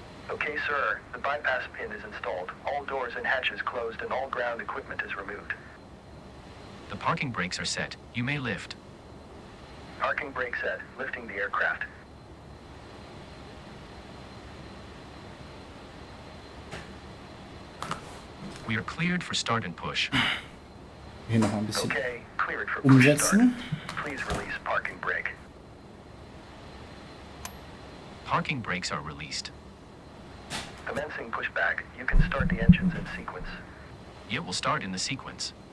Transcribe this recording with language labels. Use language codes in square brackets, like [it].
[en] Okay, Sir, the bypass pin is installed. All doors and hatches closed and all ground equipment is removed. The parking brakes are set. You may lift. Parking brake set. Lifting the aircraft. We are cleared for start and push. [de] Hier noch ein bisschen umsetzen. [en] Please release parking brake. Parking brakes are released. Commencing pushback. You can start the engines in sequence. Yeah, we'll start in the sequence.